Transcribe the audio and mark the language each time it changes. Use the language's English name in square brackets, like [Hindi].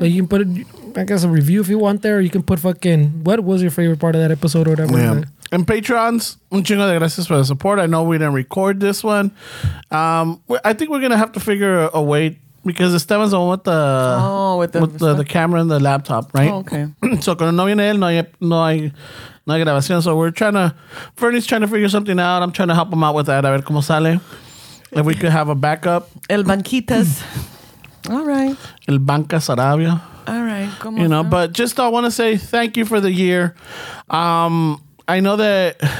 [English] But you can put it, I guess, a review if you want there. Or you can put fucking, what was your favorite part of that episode or whatever. Yeah. And patrons, [Spanish] un chingo de gracias [English] for the support. I know we didn't record this one. I think we're going to have to figure a way because Esteban's on with the camera and the laptop, right? Oh, okay. [Spanish] So, cuando no viene él, no hay grabación. [English] So, we're trying to, Fernie's trying to figure something out. I'm trying to help him out with that. [Spanish] A ver cómo sale. [English] If we could have a backup. El Banquitas. All right. El Banca Sarabia. All right. [Spanish] Como [English] you know, [Spanish] sea. [English] But just I want to say thank you for the year. I know that